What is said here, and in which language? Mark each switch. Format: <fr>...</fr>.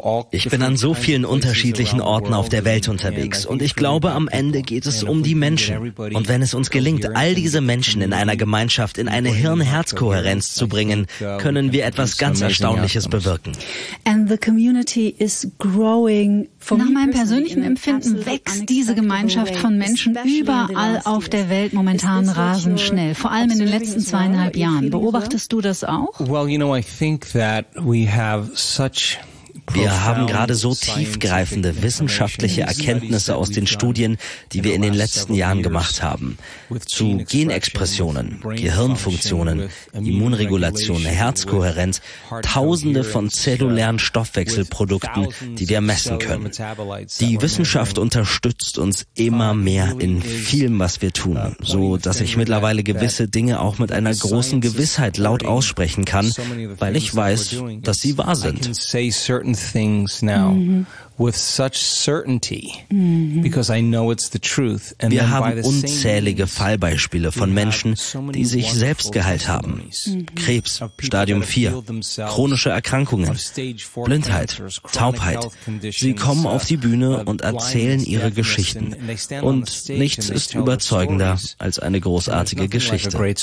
<de>Ich bin an so vielen unterschiedlichen Orten auf der Welt unterwegs und ich glaube, am Ende geht es um die Menschen. Und wenn es uns gelingt, all diese Menschen in einer Gemeinschaft in eine Hirn-Herz-Kohärenz zu bringen, können wir etwas ganz Erstaunliches bewirken.</de> <en>And the community is growing.</en> <de>Nach meinem persönlichen Empfinden wächst diese Gemeinschaft von Menschen überall auf der Welt momentan rasend schnell, vor allem in den letzten 2,5 Jahren. Beobachtest du das auch?</de> <en>Well, you know, I think that we have such...</en> <de>Wir haben gerade so tiefgreifende wissenschaftliche Erkenntnisse aus den Studien, die wir in den letzten Jahren gemacht haben, zu Genexpressionen, Gehirnfunktionen, Immunregulation, Herzkohärenz, tausende von zellulären Stoffwechselprodukten, die wir messen können. Die Wissenschaft unterstützt uns immer mehr in vielem, was wir tun, so dass ich mittlerweile gewisse Dinge auch mit einer großen Gewissheit laut aussprechen kann, weil ich weiß, dass sie wahr sind.</de> <en>Things now with such certainty because I know it's the truth.</en> <de>And wir haben unzählige Fallbeispiele von Menschen, die sich selbst geheilt haben. Krebs, Stadium 4, chronische Erkrankungen, Blindheit, Taubheit. Sie kommen auf die Bühne und erzählen ihre Geschichten. Und nichts ist überzeugender als eine großartige Geschichte.</de>